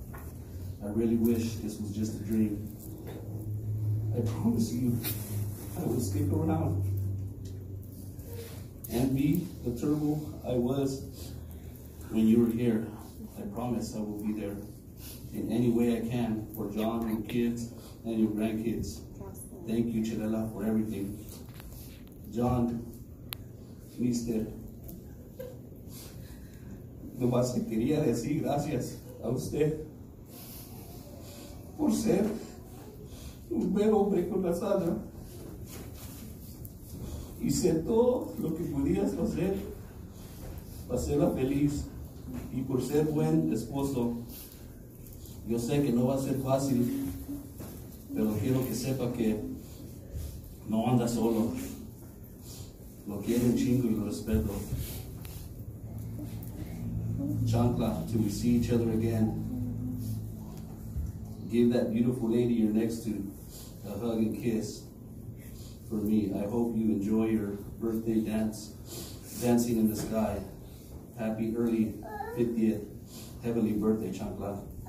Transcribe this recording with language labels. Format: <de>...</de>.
<en>I really wish this was just a dream. I promise you, I will skip around. And be the turbo I was when you were here. I promise I will be there in any way I can for John and kids and your grandkids. Thank you, Chelela, for everything.</en> <es>John, Mister, no más que quería decir gracias a usted por ser un buen hombre con la sana. Hice todo lo que podías hacer para hacerla feliz y por ser buen esposo. Yo sé que no va a ser fácil, pero quiero que sepa que no anda solo. Lo quiero un chingo y lo respeto.</es> <en>Chancla, till we see each other again, give that beautiful lady you're next to a hug and kiss for me. I hope you enjoy your birthday dance, dancing in the sky. Happy early 50th heavenly birthday, Chancla.</en>